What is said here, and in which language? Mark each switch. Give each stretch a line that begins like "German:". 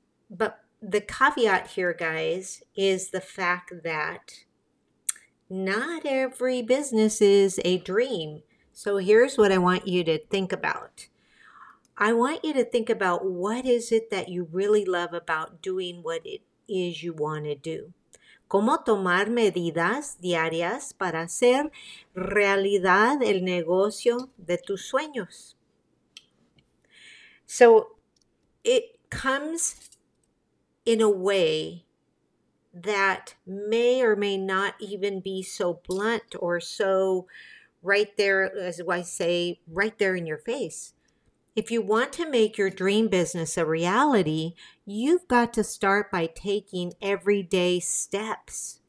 English: But the caveat here, guys, is the fact that not every business is a dream. So here's what I want you to think about. I want you to think about what is it that you really love about doing what it is you want to do.
Spanish: ¿Cómo tomar medidas diarias para hacer realidad el negocio de tus sueños?
English: So it comes in a way that may or may not even be so blunt or so right there, as I say, right there in your face. If you want to make your dream business a reality, you've got to start by taking everyday steps.